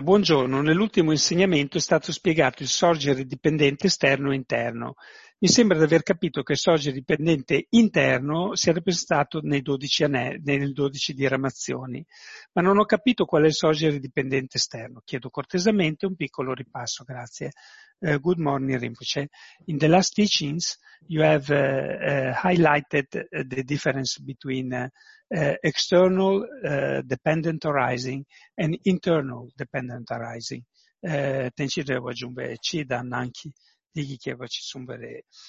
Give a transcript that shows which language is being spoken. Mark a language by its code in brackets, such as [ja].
[it] Buongiorno, nell'ultimo insegnamento è stato spiegato il sorgere dipendente esterno e interno. Mi sembra di aver capito che il sorgere dipendente interno sia rappresentato nei 12 anelli, nei 12 diramazioni, ma non ho capito qual è il sorgere dipendente esterno. Chiedo cortesemente un piccolo ripasso, grazie. [en] Good morning, Rinpoche. In the last teachings, you have highlighted the difference between external dependent arising and internal dependent arising. Tenci devo aggiungere ci dan anche di chi ci sono vere.